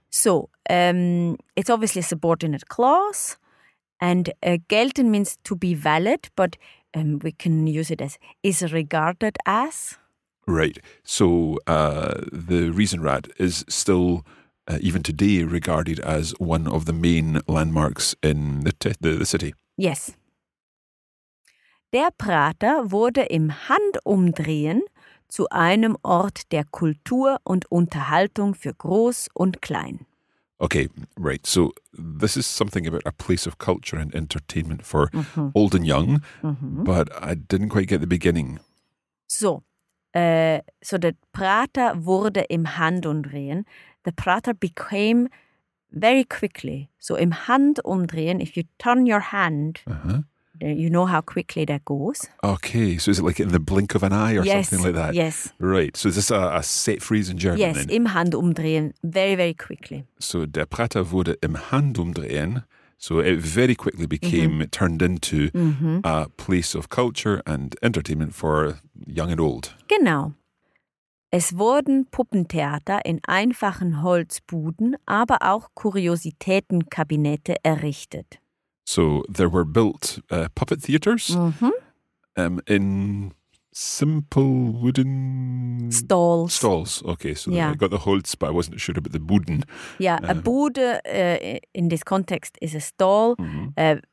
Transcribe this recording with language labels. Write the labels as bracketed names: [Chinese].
[English] So it's obviously a subordinate clause, and gelten means to be valid, but we can use it as is regarded as. Right. So the Riesenrad is still, even today, regarded as one of the main landmarks in the city. Yes. [German] Der Prater wurde im Handumdrehen zu einem Ort der Kultur und Unterhaltung für Groß und Klein. [English] Okay, right. So this is something about a place of culture and entertainment for mm-hmm. old and young, mm-hmm. but I didn't quite get the beginning. So. So the [German] Prater wurde im Handumdrehen. [English] The Prater became very quickly. So [German] im Handumdrehen, [English] if you turn your hand, uh-huh. you know how quickly that goes. Okay, so is it like in the blink of an eye or yes, something like that? Yes. Right, so is this a set phrase in German? Yes, then? [German] Im Handumdrehen, [English] very, very quickly. [German] So der Prater wurde im Handumdrehen. [English] So it very quickly became, mm-hmm. it turned into mm-hmm. a place of culture and entertainment for young and old. [German] Genau. Es wurden Puppentheater in einfachen Holzbuden, aber auch Kuriositätenkabinette errichtet. [English] So there were built puppet theaters mm-hmm. In simple wooden stalls. Okay, so yeah. I got the holz, but I wasn't sure about the buden. Yeah, a bude in this context is a stall. Mm-hmm.